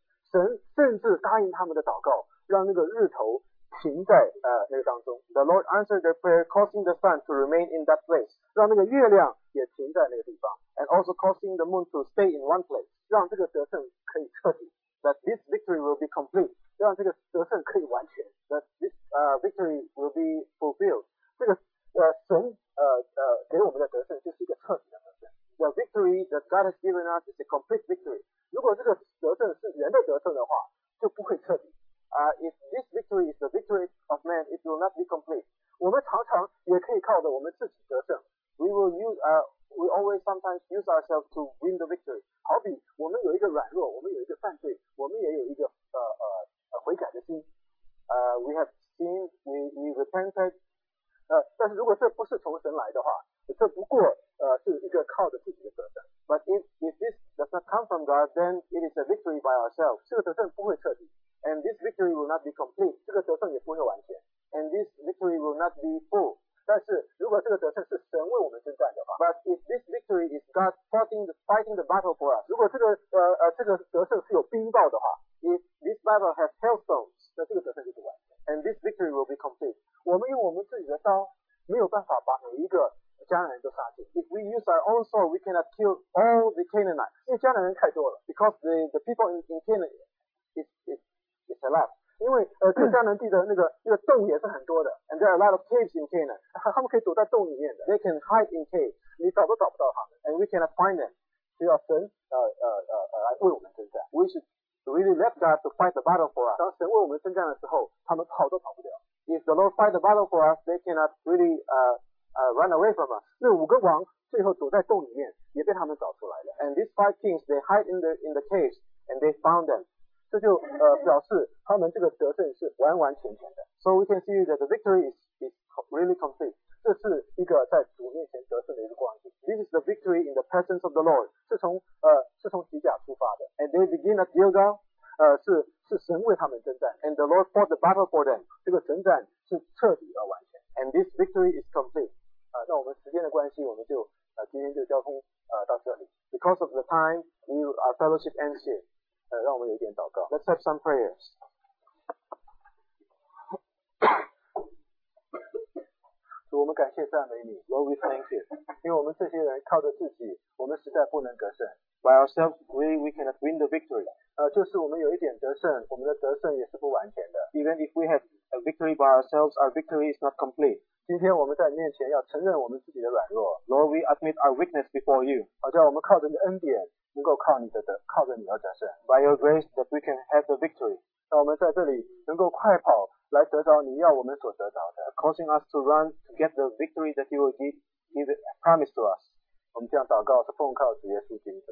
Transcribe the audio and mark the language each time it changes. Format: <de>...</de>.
<zh>神甚至答应他们的祷告，让那个日头停在那个当中。</zh> <en>The Lord answered their prayer, causing the sun to remain in that place.</en> <zh>让那个月亮也停在那个地方。</zh> <en>And also causing the moon to stay in one place,</en> <zh>让这个得胜可以彻底。</zh> <en>That this victory will be complete,</en> <zh>让这个得胜可以完全。</zh> <en>That this victory will be fulfilled.</en> <zh>这个神给我们的得胜就是一个彻底的得胜。</zh> <en>The victory that God has given us is a complete victory.</en> <zh>如果这个得胜是人的得胜的话，就不会彻底。</zh> <en>If this victory is the victory of man, it will not be complete.</en> <zh>我们常常也可以靠着我们自己得胜。</zh> <en>We will use We always sometimes use ourselves to win the victory.</en> <zh>好比我们有一个软弱，我们有一个犯罪，我们也有一个悔改的心。</zh> <en>We have sinned, we repented.</en> <zh>但是如果这不是从神来的话，这不过是一个靠着自己的得胜。</zh> <en>But if this does not come from God, then it is a victory by ourselves.</en> <zh>这个得胜不会彻底。</zh> <en>And this victory will not be complete.</en> <zh>这个得胜也不会完全。</zh> <en>And this victory will not be full.</en> <zh>但是如果这个得胜是神为我们征战的话，</zh> <en>But if this victory is God fighting the battle for us,</en> <zh>如果这个得胜是有冰雹的话，</zh> <en>If this battle has hailstones,</en> <zh>那这个得胜就是完全，</zh> <en>And this victory will be complete.</en> <zh>我们用我们自己的刀没有办法把每一个迦南人都杀尽。</zh> <en>If we use our own sword, we cannot kill all the Canaanites.</en> <zh>因为迦南人太多了。</zh> <en>Because the people in Canaan is a lot.</en> <zh>因为在迦南地的那个洞也是很多的。</zh> <en>And there are a lot of caves in Canaan.</en> <zh>他们可以躲在洞里面的。</zh> <en>They can hide in caves.</en> <zh>你找都找不到他们。</zh> <en>And we cannot find them.</en> <zh>需要神来为我们征战。</zh> <en>We should really let God to fight the battle for us.</en> <zh>当神为我们征战的时候，他们跑都跑不掉。</zh> <en>If the Lord fight the battle for us, they cannot really run away from us.</en> <zh>那五个王最后躲在洞里面，也被他们找出来了。</zh> <en>And these five kings, they hide in the caves, and they found them.</en> <zh>这就表示他们这个得胜是完完全全的。</zh> <en>So we can see that the victory is is really complete.</en> <zh>这是一个在主面前得胜的一个光景。</zh> <en>This is the victory in the presence of the Lord.</en> <zh>是从基甲出发的。</zh> <en>And they begin at Gilgal.</en> <zh>是神为他们征战。</zh> <en>And the Lord fought the battle for them.</en> <zh>这个征战是彻底而完全。</zh> <en>And this victory is complete.</en> <zh>那我们时间的关系，我们就今天就交通到这里。</zh> <en>Because of the time, our fellowship ends here.</en> <zh>让我们有一点祷告。</zh> <en>Let's have some prayers.</en> <zh>主，我们感谢赞美你。</zh> <en>Lord, we thank you.</en> <zh>因为我们这些人靠着自己，我们实在不能得胜。</zh> <en>By ourselves, we cannot win the victory.</en> <zh>就是我们有一点得胜，我们的得胜也是不完全的。</zh> <en>Even if we have a victory by ourselves, our victory is not complete.</en> <zh>今天我们在面前要承认我们自己的软弱。</zh> <en>Lord, we admit our weakness before you.</en> <zh>好叫我们靠着你的恩典，能够靠着你而得胜。</zh> <en>By your grace, that we can have the victory.</en> <zh>让我们在这里能够快跑。来得着你要我们所得着的</zh> <en>causing us to run to get the victory that you will give promise to us.</en> <zh>我们这样祷告是奉靠主耶稣基督。</zh>